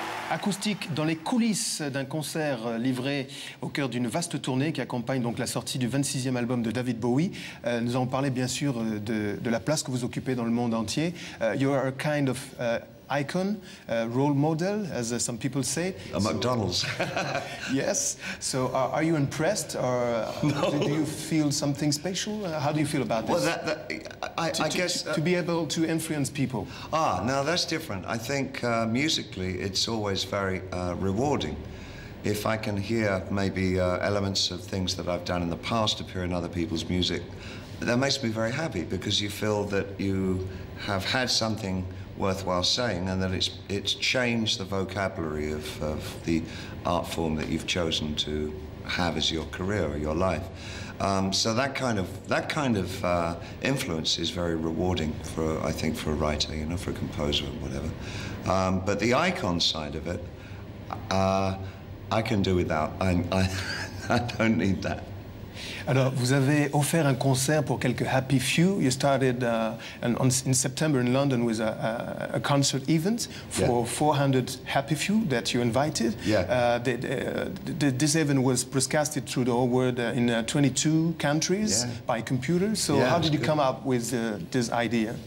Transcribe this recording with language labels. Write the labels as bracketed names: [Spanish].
[French] acoustique dans les coulisses d'un concert livré au cœur d'une vaste tournée qui accompagne donc la sortie du 26e album de David Bowie. Nous allons parler bien sûr de la place que vous occupez dans le monde entier. [English] You are a kind of icon, role model, as some people say. A McDonald's. Yes. So are you impressed or no. do you feel something special? How do you feel about this? Well, I guess... To be able to influence people. Ah, now that's different. I think musically it's always very rewarding. If I can hear maybe elements of things that I've done in the past appear in other people's music, that makes me very happy because you feel that you have had something worthwhile saying, and that it's changed the vocabulary of the art form that you've chosen to have as your career or your life. So that kind of influence is very rewarding for, I think, for a writer, you know, for a composer and whatever. But the icon side of it, I can do without. I don't need that. [French] Alors, vous avez offert un concert pour quelques happy few. [English] You started in September in London with a concert event for yeah. 400 happy few that you invited. Yeah. This event was broadcasted through the whole world in 22 countries yeah. by computer. So yeah, how did you come up with this idea?